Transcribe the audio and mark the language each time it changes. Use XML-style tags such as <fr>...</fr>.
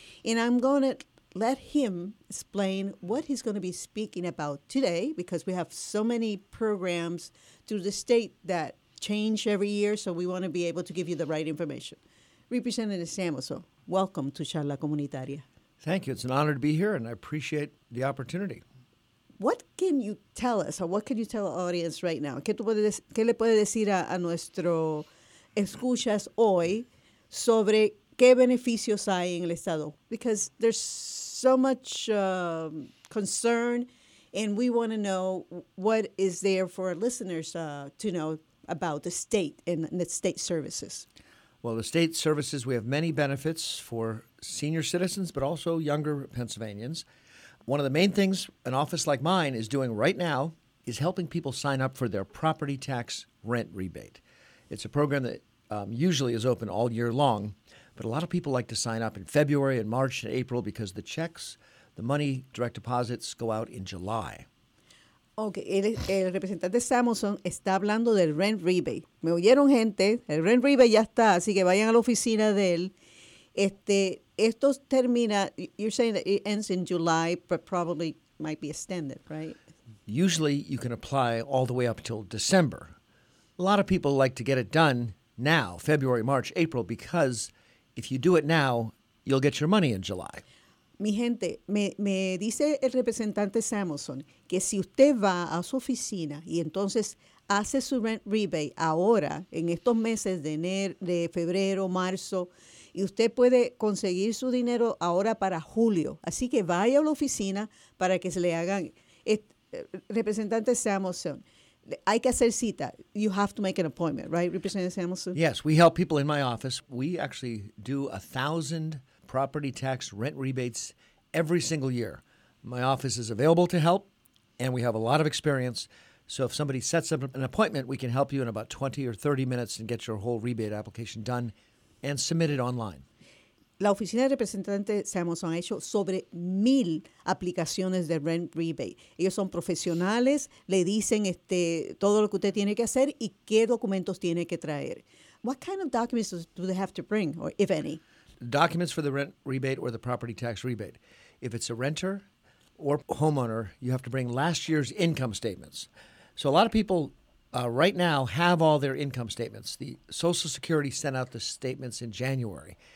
<en>And I'm going to let him explain what he's going to be speaking about today, because we have so many programs through the state that change every year, so we want to be able to give you the right information. Representative Samuelson, welcome to Charla Comunitaria. Thank you. It's an honor to be here, and I appreciate the opportunity. What can you tell us, or what can you tell the audience right now?</en> <es>¿Qué le puede decir a nuestro escuchas hoy sobre qué beneficios hay en el Estado?</es> <en>Because there's so much concern, and we want to know what is there for our listeners to know about the state and the state services. Well, the state services, we have many benefits for senior citizens, but also younger Pennsylvanians. One of the main things an office like mine is doing right now is helping people sign up for their property tax rent rebate. It's a program that usually is open all year long, but a lot of people like to sign up in February and March and April because the checks, the money, direct deposits go out in July.</en> <es>Okay, el representante Samuelson está hablando del rent rebate. Me oyeron, gente, el rent rebate ya está, así que vayan a la oficina de él. Esto termina,</es> <en>you're saying that it ends in July, but probably might be extended, right? Usually you can apply all the way up until December. A lot of people like to get it done now, February, March, April, because if you do it now, you'll get your money in July.</en> <es>Mi gente, me dice el representante Samuelson que si usted va a su oficina y entonces hace su rent rebate ahora, en estos meses de enero, de febrero, marzo, y usted puede conseguir su dinero ahora para julio. Así que vaya a la oficina para que se le hagan. Representante Samuelson, hay que hacer cita.</es> <en>You have to make an appointment, right, Representative Samuelson? Yes, we help people in my office. We actually do 1,000 property tax rent rebates every single year. My office is available to help, and we have a lot of experience. So if somebody sets up an appointment, we can help you in about 20 or 30 minutes and get your whole rebate application done and submit it online.</en> <es>La oficina de representante Samuelson ha hecho sobre 1,000 aplicaciones de rent rebate. Ellos son profesionales, le dicen todo lo que usted tiene que hacer y qué documentos tiene que traer.</es> <en>What kind of documents do they have to bring, or if any? Documents for the rent rebate or the property tax rebate. If it's a renter or homeowner, you have to bring last year's income statements. So a lot of people right now have all their income statements. The Social Security sent out the statements in January.</en>